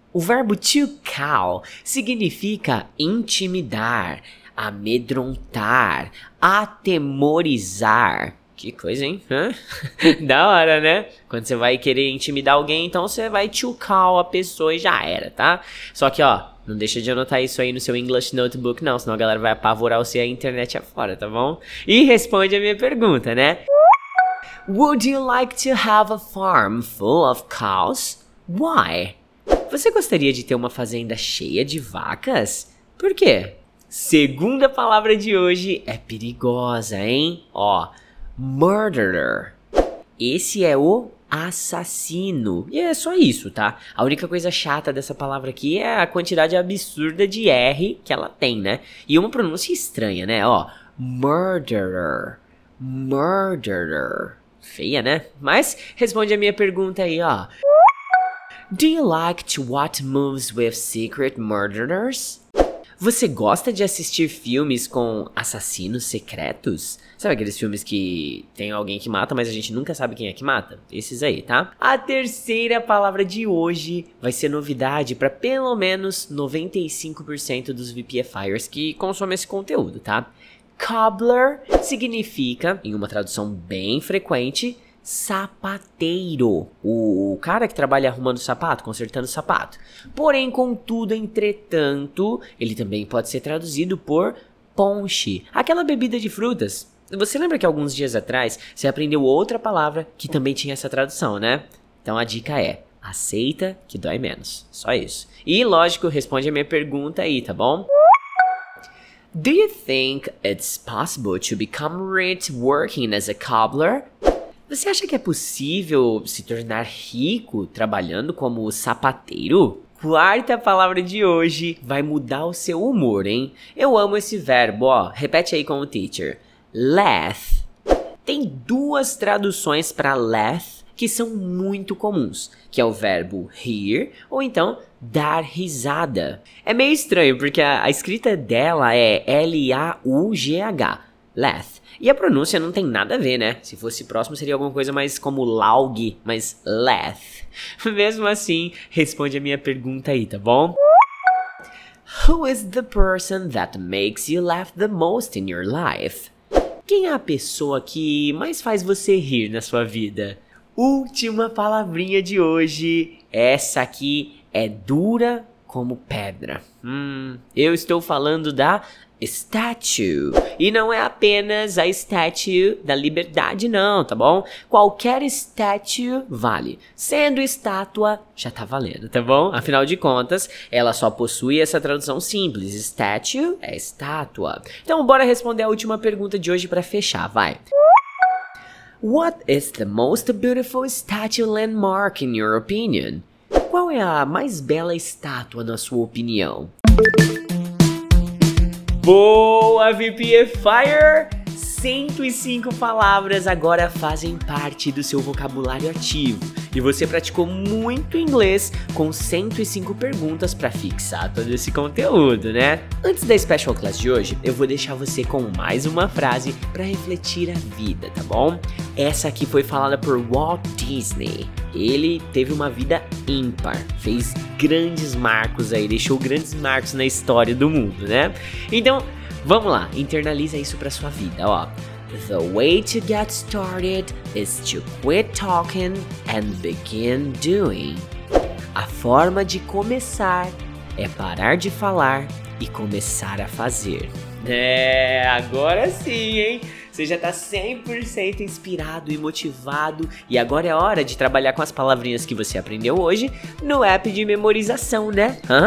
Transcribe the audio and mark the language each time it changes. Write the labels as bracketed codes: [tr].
[pt] O verbo to cow significa intimidar, amedrontar, atemorizar. Que coisa, hein? Hã? Da hora, né? Quando você vai querer intimidar alguém, então você vai to call a pessoa e já era, tá? Só que, ó, não deixa de anotar isso aí no seu English Notebook, não. Senão a galera vai apavorar você e a internet afora, tá bom? E responde a minha pergunta, né? [en] Would you like to have a farm full of cows? Why? [pt] Você gostaria de ter uma fazenda cheia de vacas? Por quê? Segunda palavra de hoje é perigosa, hein? Ó... Murderer. Esse é o assassino. E é só isso, tá? A única coisa chata dessa palavra aqui é a quantidade absurda de R que ela tem, né? E uma pronúncia estranha, né? Ó, murderer. Murderer. Feia, né? Mas responde a minha pergunta aí, ó. [en] Do you like to watch movies with secret murderers? [pt] Você gosta de assistir filmes com assassinos secretos? Sabe aqueles filmes que tem alguém que mata, mas a gente nunca sabe quem é que mata? Esses aí, tá? A terceira palavra de hoje vai ser novidade pra pelo menos 95% dos VPFiers que consomem esse conteúdo, tá? Cobbler significa, em uma tradução bem frequente, sapateiro. O cara que trabalha arrumando sapato, consertando sapato. Porém, contudo, entretanto, ele também pode ser traduzido por ponche. Aquela bebida de frutas. Você lembra que alguns dias atrás você aprendeu outra palavra que também tinha essa tradução, né? Então a dica é, aceita que dói menos. Só isso. E, lógico, responde a minha pergunta aí, tá bom? [en] Do you think it's possible to become rich working as a cobbler? [pt] Você acha que é possível se tornar rico trabalhando como sapateiro? Quarta palavra de hoje vai mudar o seu humor, hein? Eu amo esse verbo, ó. Repete aí com o teacher. Laugh. Tem duas traduções para laugh que são muito comuns, que é o verbo rir ou então dar risada. É meio estranho porque a escrita dela é L-A-U-G-H, laugh. E a pronúncia não tem nada a ver, né? Se fosse próximo seria alguma coisa mais como laug, mas laugh. Mesmo assim, responde a minha pergunta aí, tá bom? [en] Who is the person that makes you laugh the most in your life? [pt] Quem é a pessoa que mais faz você rir na sua vida? Última palavrinha de hoje. Essa aqui é dura como pedra. Eu estou falando da statue. E não é apenas a statue da liberdade, não, tá bom? Qualquer statue vale. Sendo estátua, já tá valendo, tá bom? Afinal de contas, ela só possui essa tradução simples. Statue é estátua. Então, bora responder a última pergunta de hoje pra fechar, vai. [en] What is the most beautiful statue landmark in your opinion? [pt] Qual é a mais bela estátua na sua opinião? Boa, VPFire! 105 palavras agora fazem parte do seu vocabulário ativo. E você praticou muito inglês com 105 perguntas para fixar todo esse conteúdo, né? Antes da Special Class de hoje, eu vou deixar você com mais uma frase para refletir a vida, tá bom? Essa aqui foi falada por Walt Disney. Ele teve uma vida ímpar, fez grandes marcos aí, deixou grandes marcos na história do mundo, né? Então, vamos lá, internaliza isso pra sua vida, ó. [en] The way to get started is to quit talking and begin doing. [pt] A forma de começar é parar de falar e começar a fazer. É, agora sim, hein? Você já tá 100% inspirado e motivado. E agora é hora de trabalhar com as palavrinhas que você aprendeu hoje no app de memorização, né?